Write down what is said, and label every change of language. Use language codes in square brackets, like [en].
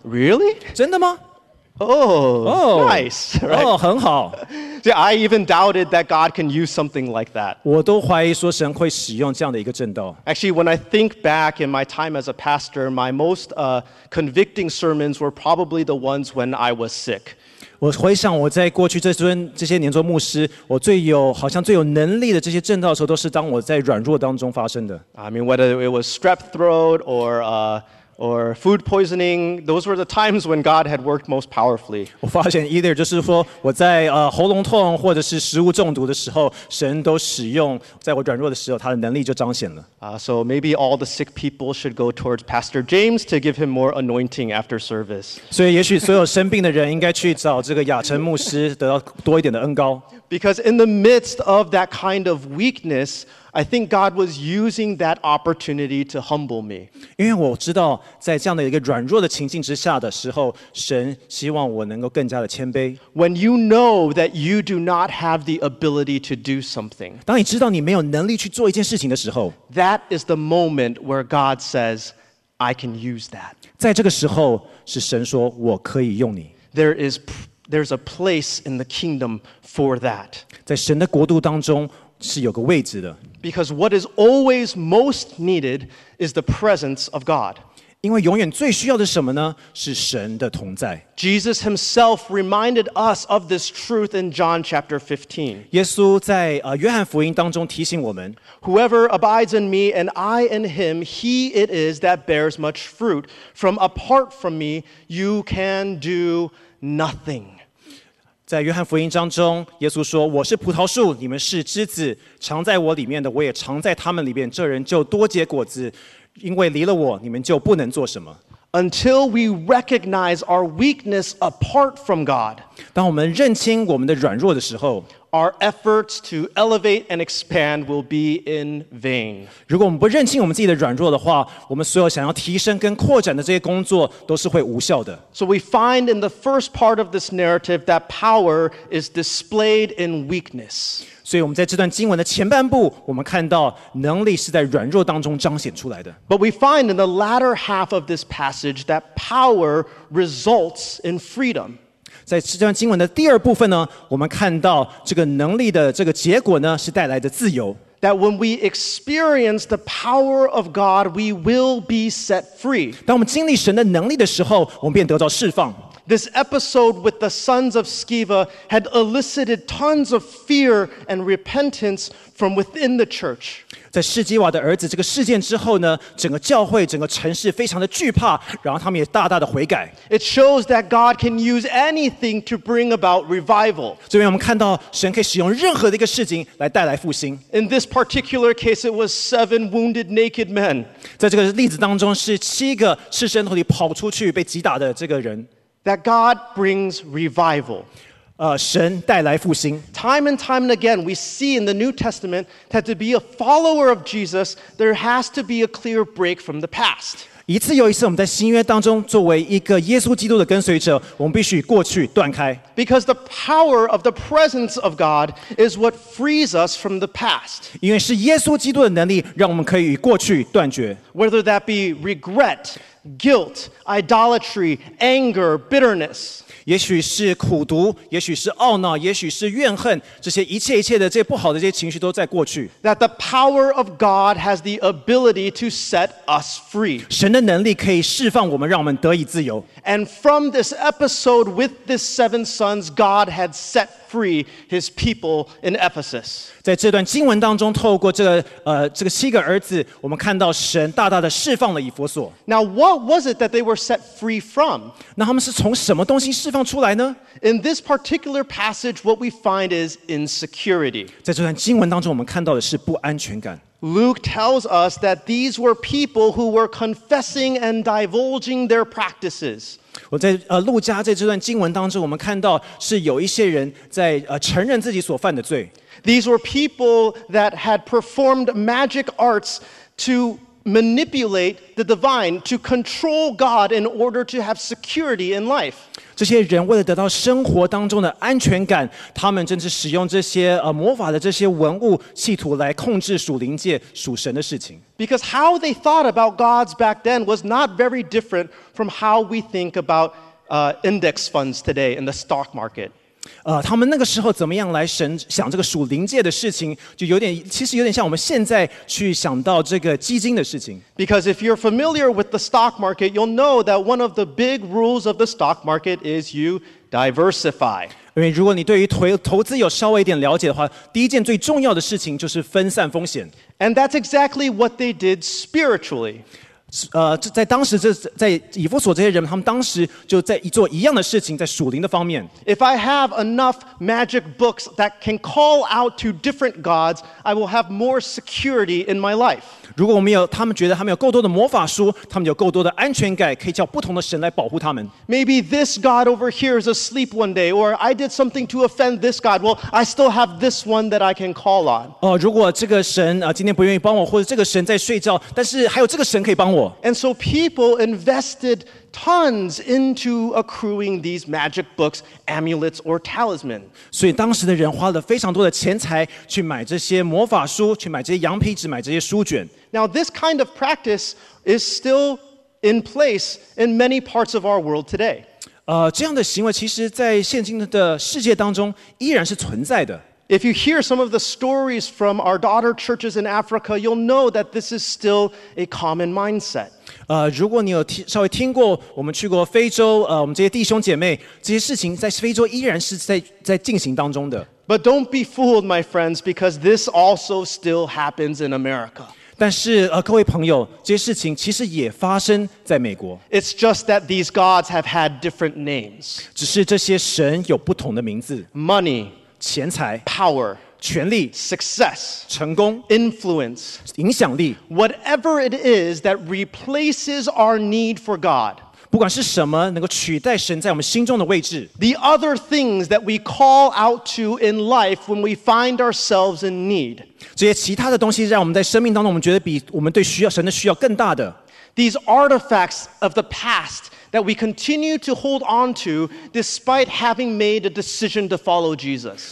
[en] ？Really? [zh] 真的吗？ [en] Oh, nice, right? [zh] Oh, 很好。 [en] See, I even doubted that God can use something like that. [zh] 我都怀疑说神会使用这样的一个证道。 [en] Actually, when I think back in my time as a pastor, my most convicting sermons were probably the ones when I was sick. [zh] 我回想我在过去这些年做牧师，我好像最有能力的这些证道的时候，都是当我在软弱当中发生的。 [en] I mean, whether it was strep throat or food poisoning, those were the times when God had worked most powerfully. [zh] 我发现 [en] either [zh] 就是说我在喉咙痛或者是食物中毒的时候，神都使用在我软弱的时候，他的能力就彰显了。 [en] So maybe all the sick people should go towards Pastor James to give him more anointing after service. [zh] 所以也许所有生病的人应该去找这个亚晨牧师，得到多一点的恩膏。 [en] Because in the midst of that kind of weakness,I think God was using that opportunity to humble me. [zh] 因为我知道，在这样的一个软弱的情境之下的时候，神希望我能够更加的谦卑。 [en] When you know that you do not have the ability to do something, [zh] 当你知道你没有能力去做一件事情的时候 [en] ，that is the moment where God says, "I can use that." [zh] 在这个时候，是神说我可以用你。 [en] There's a place in the kingdom for that. [zh] 在神的国度当中。是有个位置的。 [en] Because what is always most needed is the presence of God. [zh] 因为永远最需要的什么呢？是神的同在。 [en] Jesus himself reminded us of this truth in John chapter 15. [zh] 耶稣在约翰福音当中提醒我们。 [en] Whoever abides in me and I in him, he it is that bears much fruit. From apart from me, you can do nothing. [zh] 在约翰福音当中，耶稣说：“我是葡萄树，你们是枝子，常在我里面的，我也常在他们里面。这人就多结果子，因为离了我，你们就不能做什么。” [en] Until we recognize our weakness apart from God, [zh] 当我们认清我们的软弱的时候 [en] ，our efforts to elevate and expand will be in vain. [zh] 如果我们不认清我们自己的软弱的话，我们所有想要提升跟扩展的这些工作都是会无效的。 [en] So we find in the first part of this narrative that power is displayed in weakness. [zh] 所以我们在这段经文的前半部，我们看到能力是在软弱当中彰显出来的。 [en] But we find in the latter half of this passage that power results in freedom. [zh] 在这段经文的第二部分呢，我们看到这个能力的这个结果呢，是带来的自由。 [en] that when we experience the power of God, we will be set free. [zh] 当我们经历神的能力的时候，我们便得到释放。 [en] This episode with the sons of Sceva had elicited tons of fear and repentance from within the church. [zh] 在示基瓦的儿子这个事件之后呢，整个教会、整个城市非常的惧怕，然后他们也大大的悔改。 [en] It shows that God can use anything to bring about revival. [zh] 这边我们看到神可以使用任何的一个事情来带来复兴。 [en] In this particular case, it was 7 wounded naked men. [zh] 在这个例子当中，是七个赤身裸体跑出去被击打的这个人。 [en] That God brings revival. [zh] 神带来复兴。 [en] Time and time and again, we see in the New Testament that to be a follower of Jesus, there has to be a clear break from the past. [zh] 一次又一次，我们在新约当中，作为一个耶稣基督的跟随者，我们必须与过去断开。 [en] Because the power of the presence of God is what frees us from the past. [zh] 因为是耶稣基督的能力，让我们可以与过去断绝。 [en] Whether that be regret. Guilt, idolatry, anger, bitterness. [zh] 也许是苦毒，也许是懊恼，也许是怨恨，这些一切一切的这些不好的这些情绪都在过去。 [en] That the power of God has the ability to set us free. [zh] 神的能力可以释放我们，让我们得以自由。 [en] And from this episode with this seven sons, God had set free his people in Ephesus. [zh] 在这段经文当中，透过这个七个儿子，我们看到神大大的释放了以弗所。 [en] Now, what was it that they were set free from? [zh] 那他们是从什么东西释放出来呢？ [en] In this particular passage, what we find is insecurity. [zh] 在这段经文当中，我们看到的是不安全感。 [en] Luke tells us that these were people who were confessing and divulging their practices. [zh] 我在路加在这段经文当中，我们看到是有一些人在承认自己所犯的罪。 [en] These were people that had performed magic arts to manipulate the divine, to control God in order to have security in life. [zh] 这些人为了得到生活当中的安全感，他们正是使用这些魔法的这些文物，企图来控制属灵界、属神的事情。 [en] Because how they thought about gods back then was not very different from how we think about index funds today in the stock market. [zh] 他们那个时候怎么样来想这个属灵界的事情，就有点其实有点像我们现在去想到这个基金的事情。 [en] Because if you're familiar with the stock market, you'll know that one of the big rules of the stock market is you diversify. [zh] 因为如果你对于投资有稍微一点了解的话，第一件最重要的事情就是分散风险。 [en] And that's exactly what they did spiritually. [zh] 在当时在以弗所这些人，他们当时就在做一样的事情，在属灵的方面。 [en] If I have enough magic books that can call out to different gods, I will have more security in my life. [zh] 如果他们觉得他们有够多的魔法书，他们有够多的安全感，可以叫不同的神来保护他们。 [en] Maybe this god over here is asleep one day, or I did something to offend this god. Well, I still have this one that I can call on. [zh] 如果这个神今天不愿意帮我，或者这个神在睡觉，但是还有这个神可以帮我。 [en] And so people invested tons into accruing these magic books, amulets, or talismans. [zh] 所以当时的人花了非常多的钱财去买这些魔法书，去买这些羊皮纸，买这些书卷。 [en] Now this kind of practice is still in place in many parts of our world today. [zh] 这样的行为其实在现今的世界当中依然是存在的。 [en] If you hear some of the stories from our daughter churches in Africa, you'll know that this is still a common mindset. [zh] 如果你有稍微听过，我们去过非洲，我们这些弟兄姐妹，这些事情在非洲依然是在进行当中的。 [en] But don't be fooled, my friends, because this also still happens in America. [zh] 但是各位朋友，这些事情其实也发生在美国。 [en] It's just that these gods have had different names. [zh] 只是这些神有不同的名字。 [en] Money. [zh] 钱财 [en] power [zh] 权力 [en] success [zh] 成功 [en] influence [zh] 影响力 [en] whatever it is that replaces our need for God [zh] 不管是什么能够取代神在我们心中的位置 [en] the other things that we call out to in life when we find ourselves in need [zh] 这些其他的东西让我们在生命当中我们觉得比我们对需要神的需要更大的 [en] these artifacts of the pastthat we continue to hold on to despite having made a decision to follow Jesus.